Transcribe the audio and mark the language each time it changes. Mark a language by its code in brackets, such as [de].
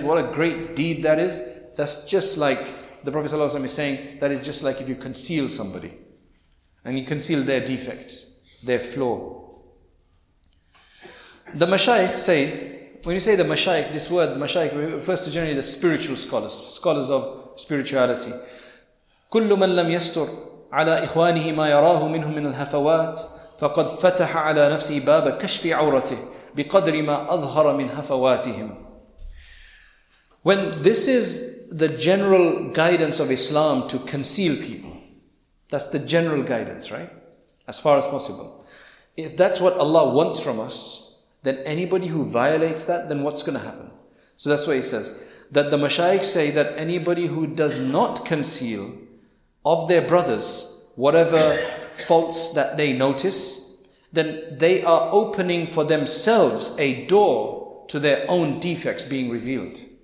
[en] What a great deed that is. That's just like the Prophet ﷺ is saying, that is just like if you conceal somebody and you conceal their defect, their flaw. The mashayikh say, when you say the mashayikh, this word mashayikh refers to generally the spiritual scholars, scholars of spirituality. [ar] كل من لم يستر على إخوانه ما يراه منه من الهفوات فقد فتح على نفسه باب كشف عورته بقدر ما أظهر من هفواتهم. [en] When this is the general guidance of Islam to conceal people, that's the general guidance, right? As far as possible. If that's what Allah wants from us, then anybody who violates that, then what's going to happen? So that's why he says that the mashayikh say that anybody who does not conceal of their brothers whatever faults that they notice, then they are opening for themselves a door to their own defects being revealed.